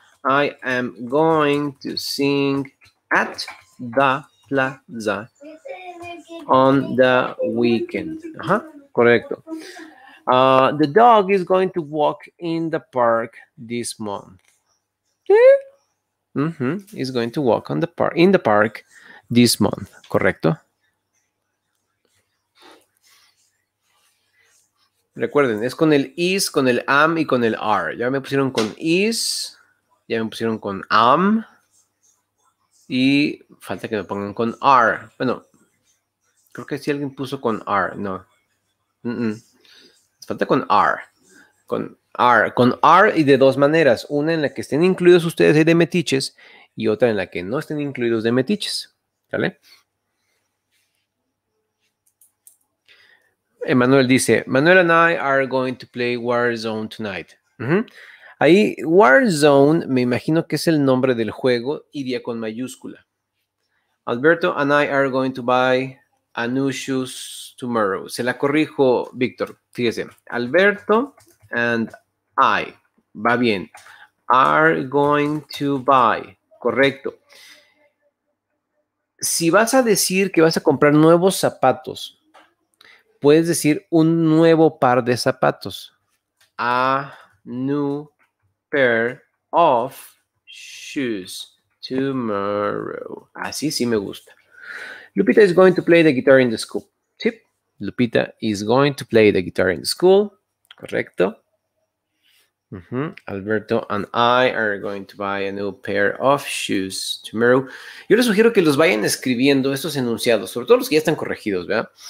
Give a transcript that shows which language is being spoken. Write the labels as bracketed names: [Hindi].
[English] I am going to sing at the plaza on the weekend. [Spanish] Ajá, correcto. [English] The dog is going to walk in the park this month. Mm-hmm. He's going to walk in the park this month. [Spanish] Correcto. Recuerden, es con el is, con el am y con el are. Ya me pusieron con is, ya me pusieron con am y falta que me pongan con are. Bueno, creo que si alguien puso con R, no. Mm-mm. Falta con R. Con R y de dos maneras. Una en la que estén incluidos ustedes de metiches y otra en la que no estén incluidos de metiches. ¿Vale? Emmanuel dice, [English] Manuel and I are going to play Warzone tonight. Mm-hmm. [Spanish] Ahí, Warzone, me imagino que es el nombre del juego, iría con mayúscula. [English] Alberto and I are going to buy a new shoes tomorrow. [Spanish] Se la corrijo, Víctor. Fíjese. [English] Alberto and I. [Spanish] Va bien. [English] Are going to buy. Correcto. [Spanish] Si vas a decir que vas a comprar nuevos zapatos, puedes decir un nuevo par de zapatos. [English] A new pair of shoes tomorrow. [Spanish] Así sí me gusta. [English] Lupita is going to play the guitar in the school. ¿Sí? Lupita is going to play the guitar in the school. Correcto. Uh-huh. Alberto and I are going to buy a new pair of shoes tomorrow. [Spanish] Yo les sugiero que los vayan escribiendo estos enunciados, sobre todo los que ya están corregidos, ¿verdad?